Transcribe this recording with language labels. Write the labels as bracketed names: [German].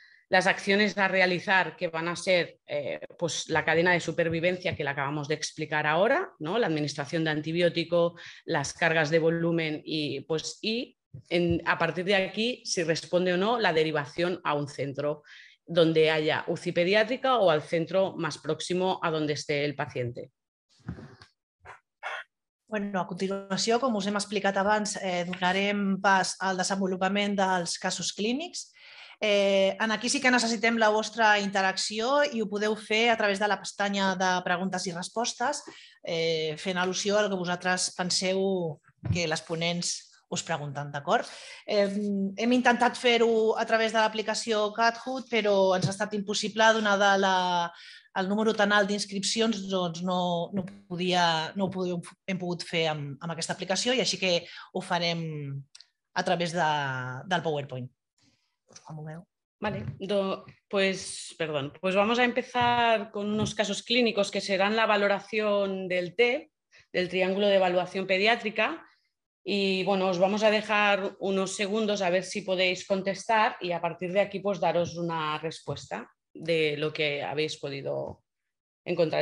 [Spanish] las acciones a realizar que van a ser pues la cadena de supervivencia que la acabamos de explicar ahora, ¿no? La administración de antibiótico, las cargas de volumen y a partir de aquí, si responde o no, la derivación a un centro donde haya UCI pediátrica o al centro más próximo a donde esté el paciente. [Catalan] Bueno, a continuació, com us hem explicat abans, donarem pas al desenvolupament dels casos clínics. En aquí sí que necessitem la vostra interacció i ho podeu fer a través de la pestanya de preguntes i respostes, fent al·lusió al que vosaltres penseu que les ponents us pregunten, d'acord? Hem intentat fer-ho a través de l'aplicació CatHut, però ens ha estat impossible donada el número tan alt d'inscripcions, doncs hem pogut fer amb aquesta aplicació i així que ho farem a través del PowerPoint. Pues, com ho veu? [Spanish] Vale, pues vamos a empezar con unos casos clínicos que serán la valoración del T, del triángulo de evaluación pediátrica. Y bueno, os vamos a dejar unos segundos a ver si podéis contestar y a partir de aquí pues daros una respuesta de lo que habéis podido encontrar.